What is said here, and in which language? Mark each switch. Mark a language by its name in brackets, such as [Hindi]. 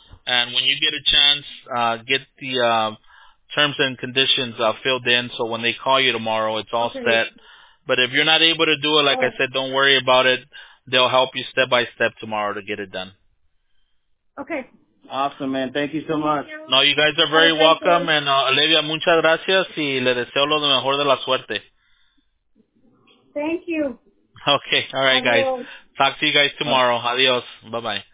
[English] And when you get a chance, get the terms and conditions filled in. So when they call you tomorrow, it's all set. But if you're not able to do it, like I said, don't worry about it. They'll help you step by step tomorrow to get it done. Okay. Awesome, man. Thank you so much. No, you guys are very welcome. And Olivia, [Spanish] muchas gracias y le deseo lo mejor de la suerte. [English] Thank you. Okay. All right, guys. Talk to you guys tomorrow. Adios. Bye-bye.